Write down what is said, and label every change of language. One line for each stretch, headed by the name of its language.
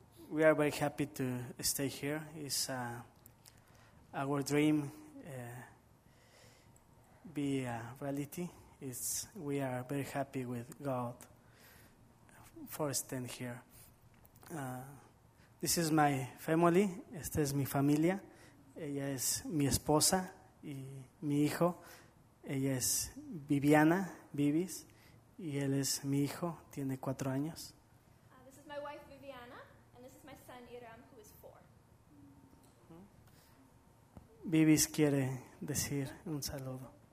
English: We are very happy to stay here. It's our dream be a reality. It's we are very happy with God for staying here. This is my family,
Spanish: esta es mi familia, ella es mi esposa y mi hijo, ella es Viviana, Vivis, y él es mi hijo, tiene 4 años.
English: This is my wife Viviana, and this is my son Iram, who is 4.
Spanish: Vivis quiere decir un saludo.